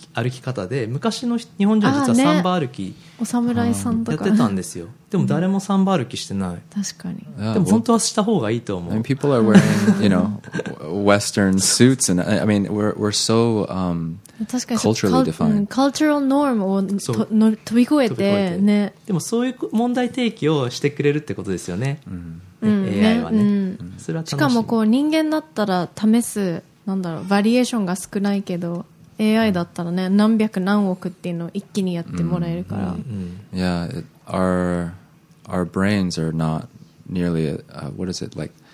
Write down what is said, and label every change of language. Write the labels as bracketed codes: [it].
[ja] 歩き方で昔の日本人は実はサンバ歩き、お侍さんとかやってたんですよ。でも誰もサンバ歩きしてない。確かに。でも本当はした方がいいと思う。 [en] I mean, people are wearing, you know, western suits and I mean we're so culturally defined. Cultural norm [ja] を飛び越えてね。でもそういう問題提起をしてくれるってことですよね、AI はね。しかもこう人間だったら試すなんだろうバリエーションが少ないけどAI だったらね、何百何億っていうのを一気にやってもらえるから。 [en] Yeah, our brains are not nearly what is it like?